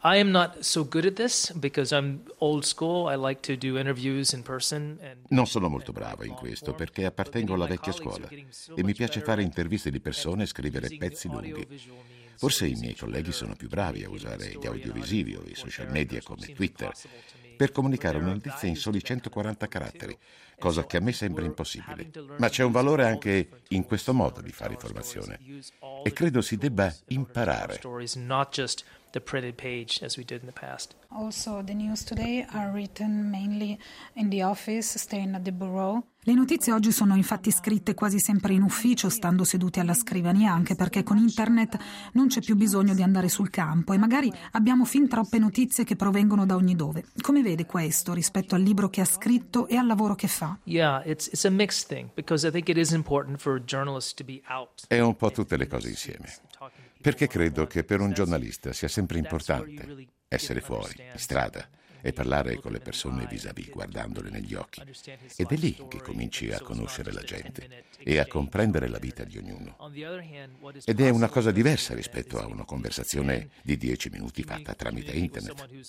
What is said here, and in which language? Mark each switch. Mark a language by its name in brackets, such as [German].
[English] I am not so good at this because I'm old school. I like to do interviews in person. [Italian] Non sono molto bravo in questo perché appartengo alla vecchia scuola e mi piace fare interviste di persone e scrivere pezzi lunghi. Forse i miei colleghi sono più bravi a usare gli audiovisivi o i social media come Twitter per comunicare una notizia in soli 140 caratteri, cosa che a me sembra impossibile. Ma c'è un valore anche in questo modo di fare informazione e credo si debba imparare. [English] The printed page, as we did in the past. Also, the news today are written mainly in the office, staying at the bureau. [Italian] Le notizie oggi sono infatti scritte quasi sempre in ufficio, stando seduti alla scrivania, anche perché con internet non c'è più bisogno di andare sul campo e magari abbiamo fin troppe notizie che provengono da ogni dove. Come vede questo rispetto al libro che ha scritto e al lavoro che fa? [English] Yeah, it's a mixed thing because I think it is important for journalists to be out. [Italian] È un po' tutte le cose insieme. Perché credo che per un giornalista sia sempre importante essere fuori, in strada, e parlare con le persone vis-à-vis, guardandole negli occhi. Ed è lì che cominci a conoscere la gente e a comprendere la vita di ognuno. Ed è una cosa diversa rispetto a una conversazione di 10 minuti fatta tramite internet.